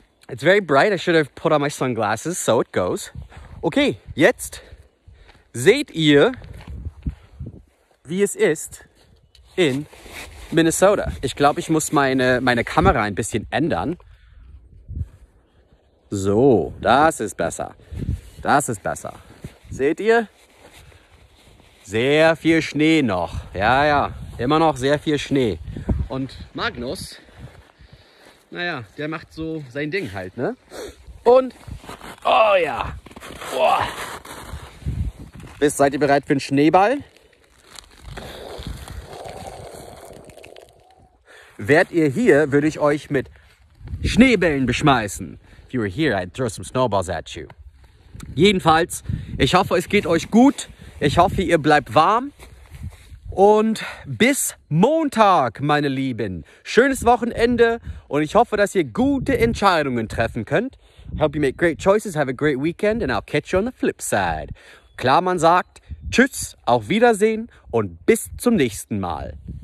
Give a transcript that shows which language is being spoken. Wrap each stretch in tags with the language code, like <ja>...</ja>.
<en>It's very bright. I should have put on my sunglasses. So it goes.</en> <de>Okay, jetzt seht ihr, wie es ist in Minnesota. Ich glaube, ich muss meine Kamera ein bisschen ändern. So, das ist besser. Das ist besser. Seht ihr? Sehr viel Schnee noch. Ja, ja. Immer noch sehr viel Schnee. Und Magnus, naja, der macht so sein Ding halt, ne? Und, oh ja, boah. Seid ihr bereit für einen Schneeball? Wärt ihr hier, würde ich euch mit Schneebällen beschmeißen.</de> <en>If you were here, I'd throw some snowballs at you.</en> <de>Jedenfalls, ich hoffe, es geht euch gut. Ich hoffe, ihr bleibt warm. Und bis Montag, meine Lieben. Schönes Wochenende und ich hoffe, dass ihr gute Entscheidungen treffen könnt.</de> <en>Hope you make great choices, have a great weekend and I'll catch you on the flip side.</en> <de>Klarmann sagt, tschüss, auf Wiedersehen und bis zum nächsten Mal.</de>